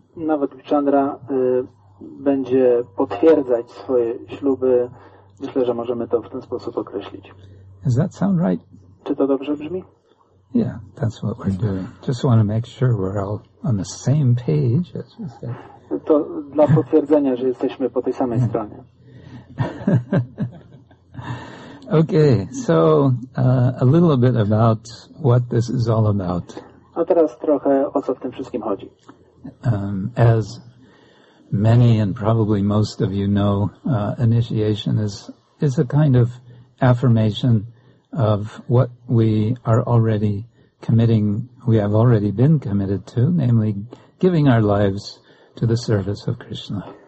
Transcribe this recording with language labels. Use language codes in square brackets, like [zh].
[pl] Navadvipa Chandra będzie potwierdzać swoje śluby. Myślę, że możemy to w ten sposób określić. [en] Does that sound right? [pl] Czy to dobrze brzmi? [en] Yeah, that's what we're doing. Just want to make sure we're all on the same page. As we said. [pl] To dla potwierdzenia, że jesteśmy po tej samej stronie. [en] Okay, so a little bit about what this is all about. [pl] A teraz trochę o co w tym wszystkim chodzi. [en] As many and probably most of you know, initiation is a kind of affirmation of what we are already committing, we have already been committed to, namely giving our lives to the service of Krishna.